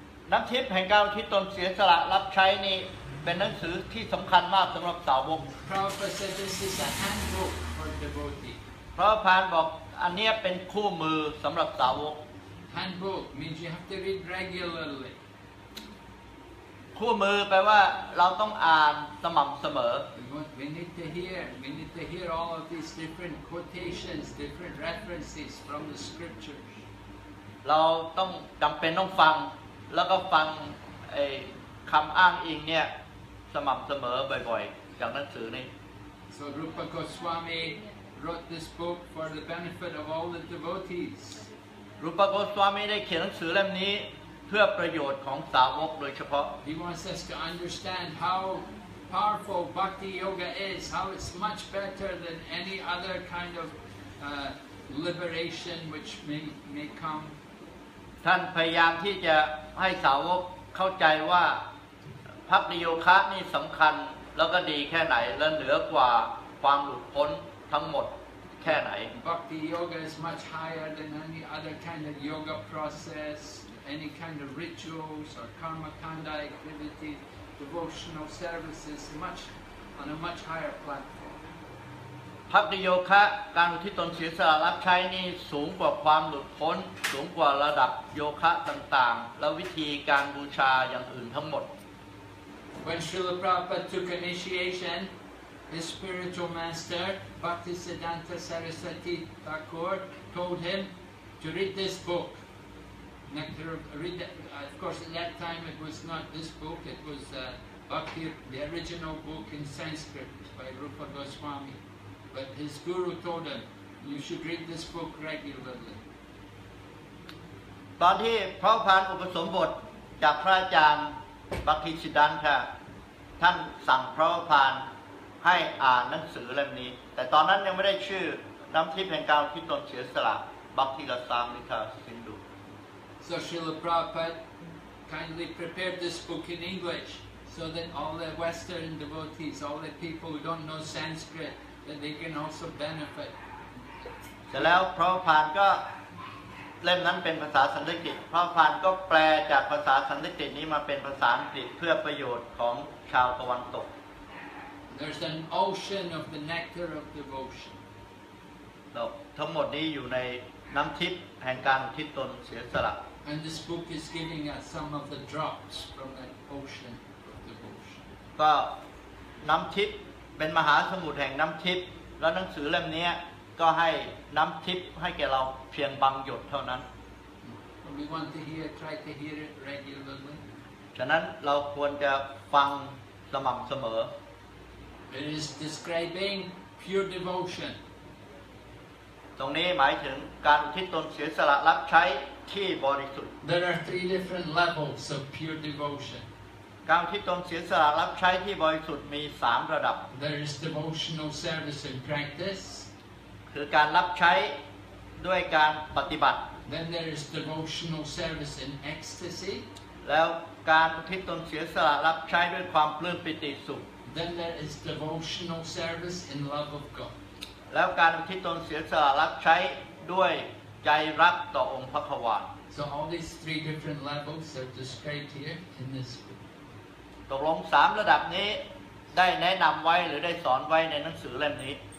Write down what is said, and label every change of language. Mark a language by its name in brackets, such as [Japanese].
[Thai] น้ำทิพย์แห่งเก้าที่ตนเสียสละรับใช้นี่เป็นหนังสือที่สำคัญมากสำหรับสาวก [English] Prabhupada said this is a handbook for devotee. [Thai] พระพานบอกอันนี้เป็นคู่มือสำหรับสาวก [English] handbook means you have to read regularly. [Thai] คู่มือแปลว่าเราต้องอ่านสม่ำเสม [English] อ We need to hear. We need to hear all of these different quotations, different references from the scriptures. [Thai] เราต้องจำเป็นต้องฟังแล้วก็ฟังคำอ้างอิงเนี่ยสม่ำเสมอบ่อยๆจากหนังสือนี้ [English] So Rupa Goswami wrote this book for the benefit of all the devotees. [Thai] Rupa Goswami ได้เขียนหนังสือเล่มนี้เพื่อประโยชน์ของสาวกโดยเฉพาะ [English] He wants us to understand how powerful Bhakti Yoga is, how it's much better than any other kind of liberation which may come. [Thai] ท่านพยายามที่จะให้สาวกเข้าใจว่าภักดิโยคะนี่สำคัญแล้วก็ดีแค่ไหนและเหนือกว่าความหลุดพ้นทั้งหมดแค่ไหน [English] Bhakti yoga is much higher than any other kind of yoga process, any kind of rituals or karmakanda activities, devotional services, much on a much higher platform. [Thai] ภักดิโยคะการอุทิศตนเสียสละรับใช้นี่สูงกว่าความหลุดพ้นสูงกว่าระดับโยคะต่างๆและวิธีการบูชาอย่างอื่นทั้งหมด [English] When Srila Prabhupada took initiation, his spiritual master, Bhaktisiddhanta Sarasvati Thakur, told him to read this book. Of course, at that time it was not this book, it was Bhakti, the original book in Sanskrit by Rupa Goswami. But his guru told him, you should read this book regularly. [Thai] ตอนที่พระพันธ์อุปสมบทจากพระอาจารย์ Bhaktisiddhantaท่านสั่งพระพานให้อ่านหนังสือเล่มนี้แต่ตอนนั้นยังไม่ได้ชื่อน้ำทิพย์แห่งการที่ตนเฉียดสละบัคทีละสามนิทาสินดู [English] So Srila Prabhupada kindly prepared this book in English so that all the Western devotees, all the people who don't know Sanskrit, that they can also benefit. [Thai] แต่แล้วพระพานก็เล่มนั้นเป็นภาษาสันสกฤตพระพานก็แปลจากภาษาสันสกฤตนี้มาเป็นภาษาอังกฤษเพื่อประโยชน์ของชาวตะวันตก [English] There's an ocean of the nectar of devotion. [Thai] ทั้งหมดนี้อยู่ในน้ำทิพย์แห่งการที่ตนเสียสละ [English] And this book is giving us some of the drops from that ocean of devotion. [Thai] ก็น้ำทิพย์เป็นมหาสมุทรแห่งน้ำทิพย์แล้วหนังสือเล่มนี้ก็ให้น้ำทิพย์ให้แก่เราเพียงบางหยดเท่านั้น [English] We want to hear, try to hear it regularly. [Thai] ฉะนั้นเราควรจะฟังสม่ำเสม [English] อ It is describing pure devotion [Thai] ตรงนี้หมายถึงการอุทิศตนเสียสละรับใช้ที่บริสุทธิ์ [English] There are three different levels of pure devotion [Thai] การอุทิศตนเสียสละรับใช้ที่บริสุทธิ์มี3ระดับ [English] There is devotional service and practice [Thai] คือการรับใช้ด้วยการปฏิบัติ [English] Then there is devotional service in ecstasy [Thai] แล้วการอุทิศตนเสียสละรับใช้ด้วยความปลื้มปิติสุข [English] Then there is devotional service in love of God [Thai] แล้วการอุทิศตนเสียสละรับใช้ด้วยใจรักต่อองค์พระผวา [English] So all these three different levels are described here in this book [Thai] ตกลง3ระดับนี้ได้แนะนำไว้หรือได้สอนไว้ในหนังสือเล่มนี